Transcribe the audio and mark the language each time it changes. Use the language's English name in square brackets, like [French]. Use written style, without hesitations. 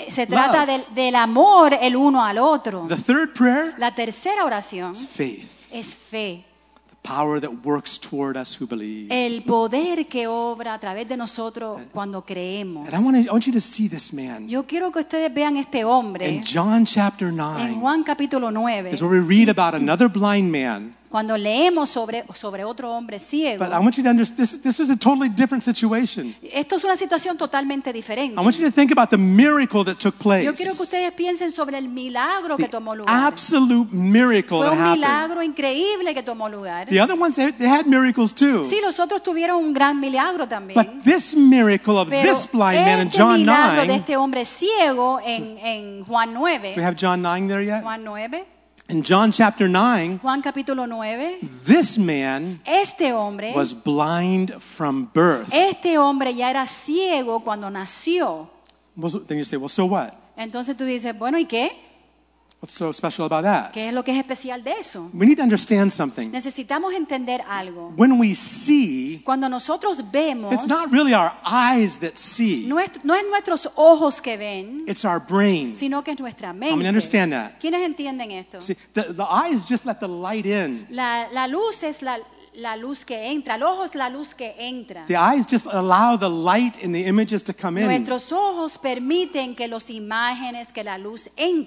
[Spanish] Se trata del amor el uno al otro. [English] The third prayer. [Spanish] La tercera oración [English] is faith. [Spanish] Es fe. [English] The power that works toward us who believe. [Spanish] El poder que obra a través de nosotros cuando creemos. [English] And I want you to see this man. [Spanish] Yo quiero que ustedes vean este hombre. [English] In John chapter 9. [Spanish] En Juan capítulo 9. [English] Is where we read about another blind man. [Spanish] Cuando leemos sobre otro hombre ciego. [English] But I want you to understand, this was a totally different situation. [Spanish] Esto es una situación totalmente diferente. [English] I want you to think about the miracle that took place. [Spanish] Yo quiero que ustedes piensen sobre el milagro que tomó lugar. [English] Absolute miracle that happened. [Spanish] Fue un milagro increíble que tomó lugar. [English] The other ones, they had miracles too. [Spanish] Sí, los otros tuvieron un gran milagro también. [English] But this miracle of this blind man in John 9. [Spanish] Pero este milagro de este hombre ciego en Juan 9. [English] We have John 9 there yet? [Spanish] Juan 9. [English] In John chapter 9, [Spanish] Juan capítulo 9, [English] this man, [Spanish] este hombre, [English] was blind from birth. [Spanish] Este hombre ya era ciego cuando nació. [English] Then you say, well, so what? [Spanish] Entonces tú dices, bueno, ¿y qué? [English] What's so special about that? [Spanish] ¿Qué es lo que es especial de eso? [English] We need to understand something. [Spanish] Necesitamos entender algo. [English] When we see, [Spanish] cuando nosotros vemos, [English] it's not really our eyes that see. [Spanish] No es nuestros ojos que ven. [English] It's our brain. [Spanish] Sino que es nuestra mente. [English] I mean, understand that. [Spanish] ¿Quiénes entienden esto? [English] See, the eyes just let the light in. [Spanish] La luz es la luz que entra. El ojo es la luz que entra. [English] The eyes just allow the light and the images to come in. [Spanish] Nuestros ojos permiten que las imágenes, que la luz entre.